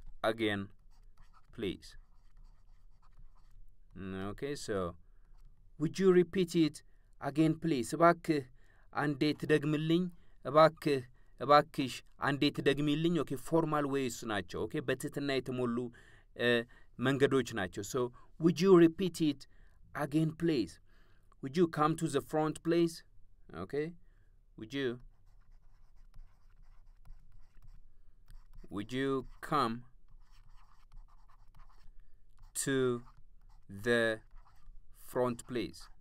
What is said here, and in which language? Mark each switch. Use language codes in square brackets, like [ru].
[en] Again please. Okay, so would you repeat it again please? [am] እባክህ አንዴ ትደግምልኝ. እባክህ እባክሽ አንዴ ትደግሚልኝ. [en] Okay, formal ways [am] ናቸው. Okay, በትህትና የተሞሉ መንገዶች ናቸው. [en] So would you repeat it again please? Would you come to the front please? Okay, would you come to the front please?